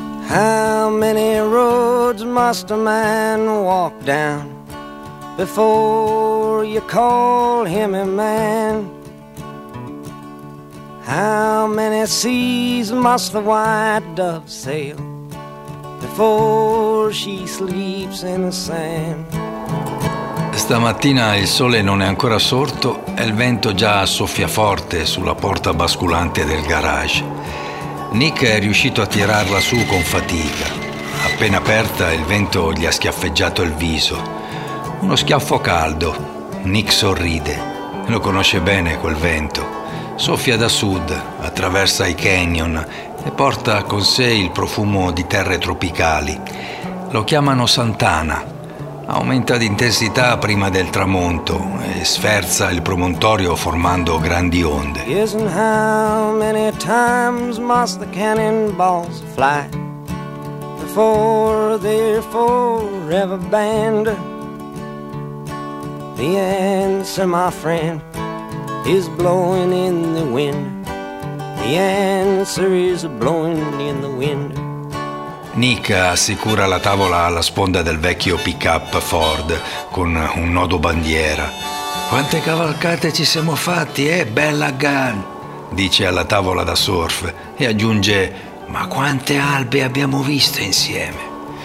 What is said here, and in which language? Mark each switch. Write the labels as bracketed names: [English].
[English] How many roads must a man walk down before you call him a man? How many seas must the white dove sail before she sleeps in the sand? [Italian] Stamattina il sole non è ancora sorto e il vento già soffia forte sulla porta basculante del garage. Nick è riuscito a tirarla su con fatica. Appena aperta, il vento gli ha schiaffeggiato il viso. Uno schiaffo caldo. Nick sorride. Lo conosce bene quel vento. Soffia da sud, attraversa i canyon e porta con sé il profumo di terre tropicali. Lo chiamano Santana. Aumenta di intensità prima del tramonto e sferza il promontorio formando grandi onde. [English] Yes, and how many times must the cannonballs fly before they're forever banned? The answer, my friend, is blowing in the wind. The answer is blowing in the wind. [Italian] Nick assicura la tavola alla sponda del vecchio pick-up Ford con un nodo bandiera. «Quante cavalcate ci siamo fatti, bella gang!» dice alla tavola da surf e aggiunge «Ma quante albe abbiamo visto insieme!»